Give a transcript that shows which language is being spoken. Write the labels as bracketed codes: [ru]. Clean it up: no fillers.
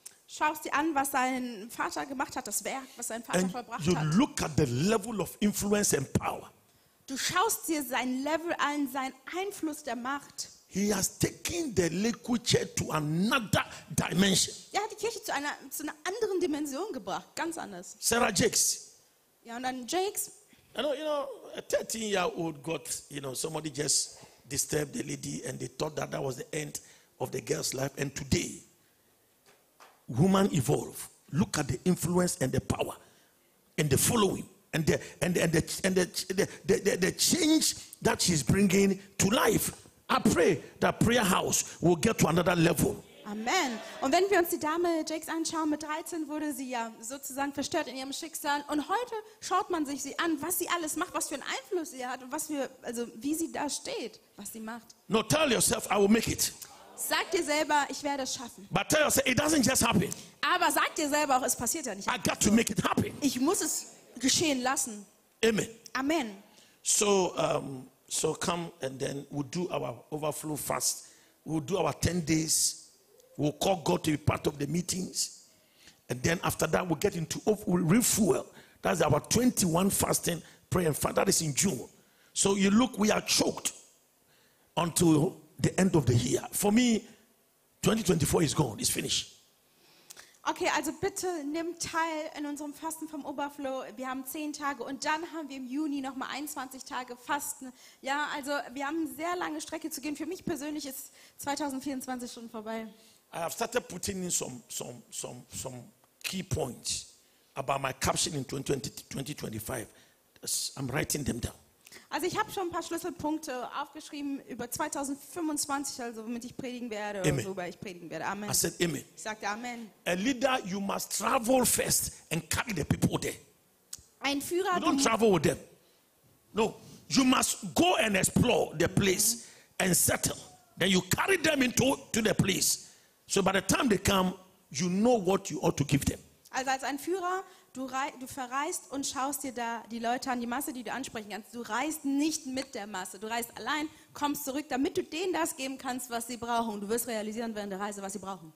[de] Schaust dir an, was sein Vater gemacht hat, das Werk, was sein Vater [en] and [de] vollbracht [en] you [de] hat. [en] Look at the level of influence and power. [de] Du schaust dir sein Level an, sein Einfluss der Macht. [en] He has taken the local church to another dimension. [de] Er hat die Kirche zu einer anderen Dimension gebracht, ganz anders. [en] Sarah Jakes. [de] Ja, und dann Jakes. [en] You know, a 13-year-old got, you know, somebody just disturbed the lady and they thought that was the end of the girl's life. And today, woman evolve. Look at the influence and the power and the following and the change that she's bringing to life. I pray that prayer house will get to another level. Amen. [de] Und wenn wir uns die Dame Jakes anschauen, mit 13 wurde sie ja sozusagen verstört in ihrem Schicksal. Und heute schaut man sich sie an, was sie alles macht, was für einen Einfluss sie hat und was für, also wie sie da steht, was sie macht. [en] No, tell yourself, I will make it. [de] Sag dir selber, ich werde es schaffen. [en] But tell yourself, it doesn't just happen. [de] Aber sag dir selber auch, es passiert ja nicht. [en] I got to make it happen. [de] Ich muss es geschehen lassen. [en] Amen. [de] Amen. [en] So come and then we'll do our overflow fast. We'll do our 10 days. We'll call God to be part of the meetings. And then after that, we'll get into refuel. That's our 21 fasting prayer. And that is in June. So you look, we are choked until the end of the year. For me, 2024 is gone. It's finished. [de] Okay, also bitte nimm teil in unserem Fasten vom Oberflow. Wir haben 10 Tage und dann haben wir im Juni nochmal 21 Tage Fasten. Ja, also wir haben eine sehr lange Strecke zu gehen. Für mich persönlich ist 2024 schon vorbei. [en] I have started putting in some key points about my caption in 2025. I'm writing them down. [de] Also ich habe schon ein paar Schlüsselpunkte aufgeschrieben über 2025, also womit ich predigen werde Amen. Und worüber ich predigen werde. Amen. [en] I said Amen. [de] Ich sagte Amen. [en] A leader, you must travel first and carry the people there. [de] Ein Führer. [en] You don't travel with them. No, you must go and explore the place and settle. Then you carry them into the place. So by the time they come, you know what you ought to give them. [de] Also als ein Führer. Du verreist und schaust dir da die Leute an, die Masse, die du ansprechen kannst. Du reist nicht mit der Masse. Du reist allein, kommst zurück, damit du denen das geben kannst, was sie brauchen. Du wirst realisieren während der Reise, was sie brauchen.